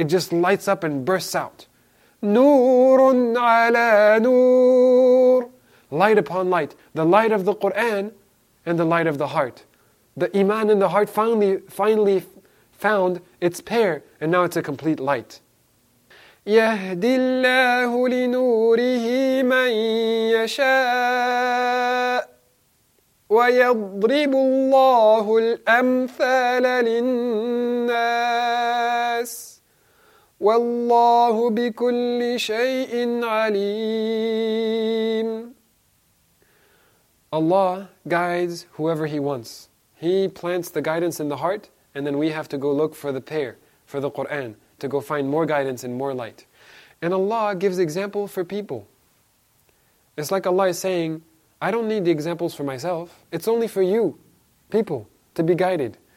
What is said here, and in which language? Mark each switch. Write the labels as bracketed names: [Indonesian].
[English] It just lights up and bursts out. [Arabic] نور على نور. [English] Light upon light. The light of the Qur'an and the light of the heart. The iman in the heart finally found its pair, and now it's a complete light. [Arabic] يهدي الله لنوره من يشاء ويضرب الله الأمثال للناس وَاللَّهُ بِكُلِّ شَيْءٍ عَلِيمٌ. [English] Allah guides whoever He wants. He plants the guidance in the heart, and then we have to go look for the pair, for the Qur'an, to go find more guidance and more light. And Allah gives example for people. It's like Allah is saying, I don't need the examples for myself. It's only for you, people. to be guided.